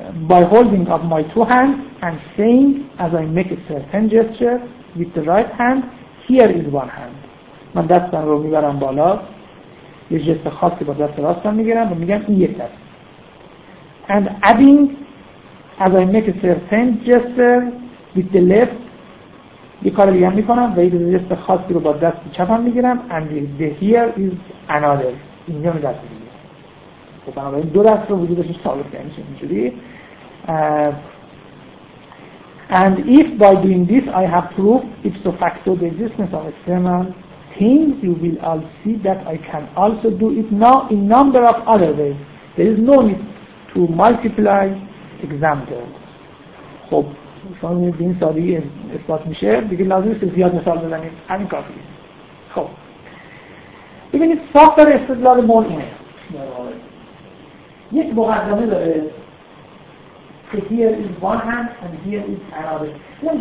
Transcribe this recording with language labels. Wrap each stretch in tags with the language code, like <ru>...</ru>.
<en>By holding up my two hands and saying as I make a certain gesture with the right hand, here is one hand.</en> <fa>من دست رو میبرم بالا. یه جست خاصی با دست راست رو میگرم و میگم این یک دست.</fa> <en>And adding as I make a certain gesture with the left,</en> <fa>یه کار دیگه میکنم و یه جست خاصی رو با دست چپ هم میگرم.</fa> <en>And the here is another.</en> <fa>اینجا می دست میگرم. خب بنابراین دو دست رو وجودش ثابت کرده میشه اینجوری.</fa> <en>And if by doing this I have proved ipso facto the existence of external things, you will all see that I can also do it now in number of other ways. There is no need to multiply examples.</en> <fa>خب شما میبینید به این سادگی اثبات میشه دیگه لازم نیست زیاد مثال بزنید همین کافی. خب ببینید ساختار استدلال مور اینه یک مقدمه داره که</fa> <en>here is one hand and here is another.</en>